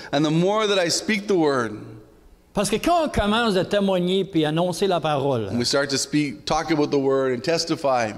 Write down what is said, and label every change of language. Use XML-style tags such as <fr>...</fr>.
<en>and the more that I speak the word,</en> <fr>parce que quand on commence à témoigner puis annoncer la parole,</fr> <en>we start to speak, talk about the word and testify,</en>